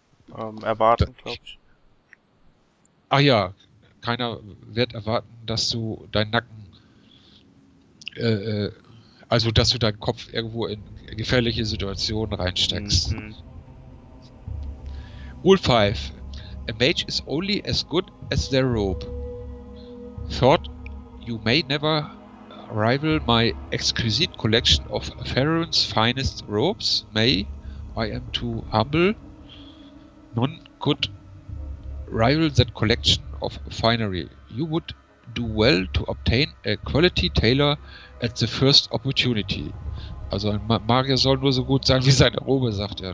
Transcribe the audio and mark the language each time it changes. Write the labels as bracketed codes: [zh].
[de] Erwarten, glaube ich. Ach ja, keiner wird erwarten, dass du deinen Nacken, also dass du deinen Kopf irgendwo in gefährliche Situationen reinsteckst. [en] Mhm. Rule 5. A mage is only as good as their robe. Thought you may never rival my exquisite collection of Faerun's finest robes? May, I am too humble. None could rival that collection of finery. You would do well to obtain a quality tailor at the first opportunity. [de] Also ein Magier soll nur so gut sein wie seine Robe, sagt er.